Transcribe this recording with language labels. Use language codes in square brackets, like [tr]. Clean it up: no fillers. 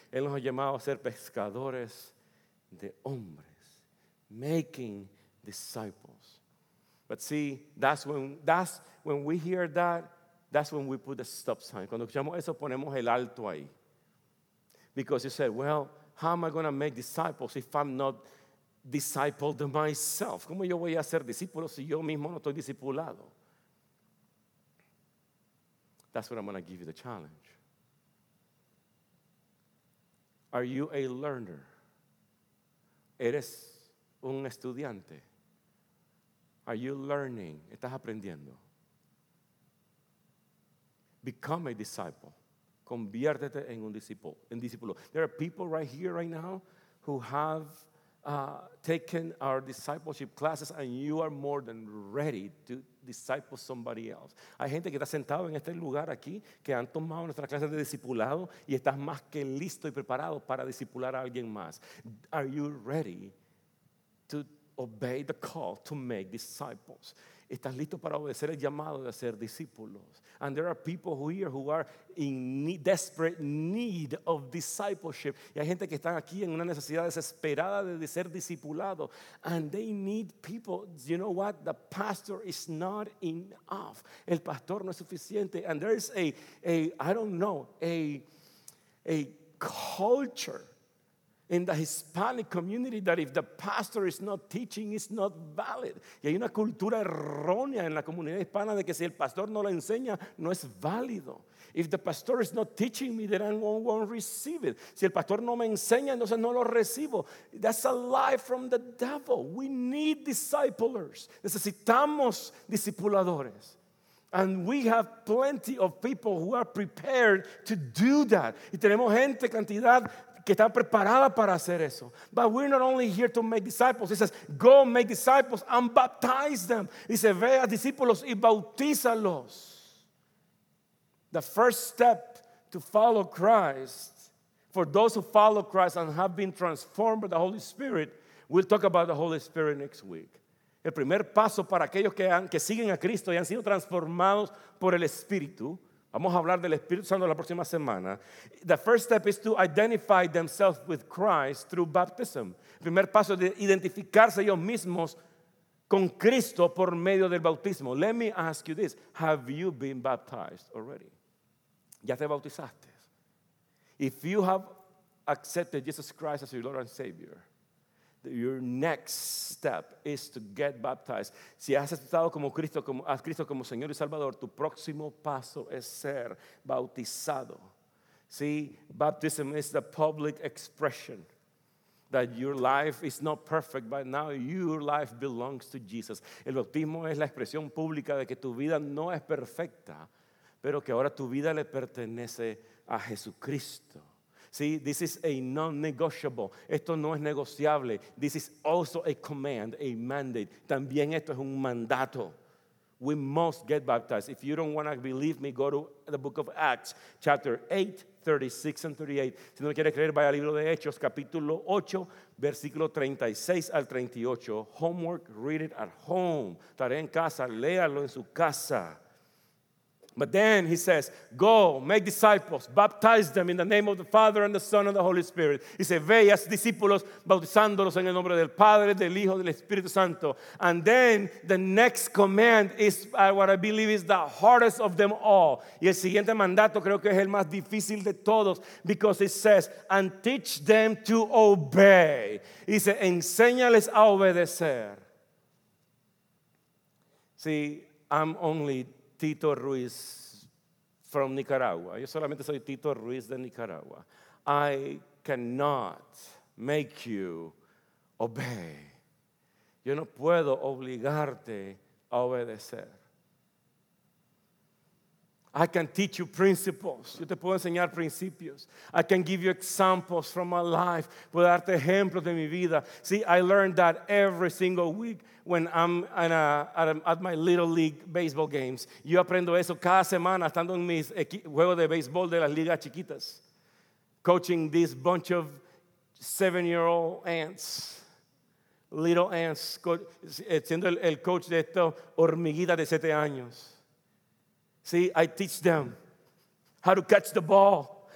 [es] Él nos ha llamado a ser pescadores de hombres, [en] making disciples. But see, that's when we hear that, that's when we put the stop sign. [es] Cuando escuchamos eso, ponemos el alto ahí. [en] Because you say, well, how am I going to make disciples if I'm not discipled myself? [es] ¿Cómo yo voy a ser discípulo si yo mismo no estoy discipulado? [en] That's what I'm going to give you the challenge. Are you a learner? [es] ¿Eres un estudiante? [en] Are you learning? [es] ¿Estás aprendiendo? [en] Become a disciple. [es] Conviértete en un discípulo. [en] There are people right here, right now, who have taken our discipleship classes and you are more than ready to disciple somebody else. [es] Hay gente que está sentado en este lugar aquí que han tomado nuestras clases de discipulado y estás más que listo y preparado para discipular a alguien más. [en] Are you ready to obey the call to make disciples? [es] ¿Estás listo para obedecer el llamado de hacer discípulos? [en] And there are people here who are in desperate need of discipleship. [es] Y hay gente que está aquí en una necesidad desesperada de ser discipulado. [en] And they need people. You know what? The pastor is not enough. [es] El pastor no es suficiente. [en] And there is a culture in the Hispanic community that if the pastor is not teaching, it's not valid. [es] Y hay una cultura errónea en la comunidad hispana de que si el pastor no la enseña, no es válido. [en] If the pastor is not teaching me, then I won't receive it. [es] Si el pastor no me enseña, entonces no lo recibo. [en] That's a lie from the devil. We need disciples. [es] Necesitamos discipuladores. [en] And we have plenty of people who are prepared to do that. [es] Y tenemos gente, cantidad, que están preparadas para hacer eso. [en] But we're not only here to make disciples. He says, go make disciples and baptize them. He says, [es] ve a discípulos y bautízalos. [en] The first step to follow Christ, for those who follow Christ and have been transformed by the Holy Spirit, we'll talk about the Holy Spirit next week. [es] El primer paso para aquellos que siguen a Cristo y han sido transformados por el Espíritu, vamos a hablar del Espíritu Santo la próxima semana. [en] The first step is to identify themselves with Christ through baptism. [es] El primer paso es de identificarse ellos mismos con Cristo por medio del bautismo. [en] Let me ask you this. Have you been baptized already? [es] ¿Ya te bautizaste? [en] If you have accepted Jesus Christ as your Lord and Savior, your next step is to get baptized. [es] Si has aceptado como Cristo, como Señor y Salvador, tu próximo paso es ser bautizado. [en] See, baptism is the public expression that your life is not perfect, but now your life belongs to Jesus. [es] El bautismo es la expresión pública de que tu vida no es perfecta, pero que ahora tu vida le pertenece a Jesucristo. [en] See, this is a non-negotiable. [es] Esto no es negociable. [en] This is also a command, a mandate. [es] También esto es un mandato. [en] We must get baptized. If you don't want to believe me, go to the book of Acts, chapter 8, 36 and 38. [es] Si no quiere creer, vaya al libro de Hechos, capítulo 8, versículo 36 al 38. [en] Homework, read it at home. [es] Tarea en casa, léalo en su casa. [en] But then he says, go, make disciples, baptize them in the name of the Father and the Son and the Holy Spirit. He says, [es] ve y haz discípulos bautizándolos en el nombre del Padre, del Hijo, del Espíritu Santo. [en] And then the next command is what I believe is the hardest of them all. [es] Y el siguiente mandato creo que es el más difícil de todos, [en] because it says, and teach them to obey. He says, [es] enséñales a obedecer. [en] See, I'm only Tito Ruiz from Nicaragua. [es] Yo solamente soy Tito Ruiz de Nicaragua. [en] I cannot make you obey. [es] Yo no puedo obligarte a obedecer. [en] I can teach you principles. [es] Yo te puedo enseñar principios. [en] I can give you examples from my life. [es] Puedo darte ejemplos de mi vida. [en] See, I learned that every single week when I'm at my little league baseball games. [es] Yo aprendo eso cada semana estando en mis juegos de béisbol de las ligas chiquitas. [en] Coaching this bunch of 7-year-old ants. Little ants. [es] Siendo el coach de estas hormiguitas de 7 años. [en] See, I teach them how to catch the ball.